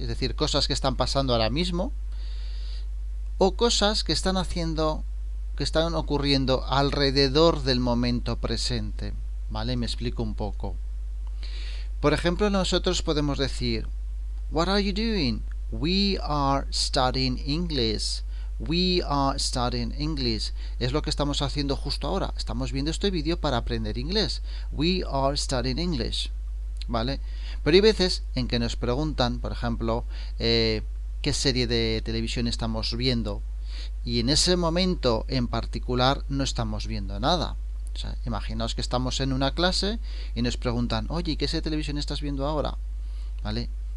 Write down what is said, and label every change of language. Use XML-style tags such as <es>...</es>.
<es>Es decir, cosas que están pasando ahora mismo o cosas que están haciendo, que están ocurriendo alrededor del momento presente, ¿vale? Me explico un poco. Por ejemplo, nosotros podemos decir,</es> <en>What are you doing? We are studying English. We are studying English.</en> <es>Es lo que estamos haciendo justo ahora. Estamos viendo este vídeo para aprender inglés.</es> <en>We are studying English.</en> <es>¿Vale? Pero hay veces en que nos preguntan, por ejemplo, ¿qué serie de televisión estamos viendo? Y en ese momento en particular no estamos viendo nada. O sea, imaginaos que estamos en una clase y nos preguntan, oye, ¿qué serie de televisión estás viendo ahora? ¿Vale?</es>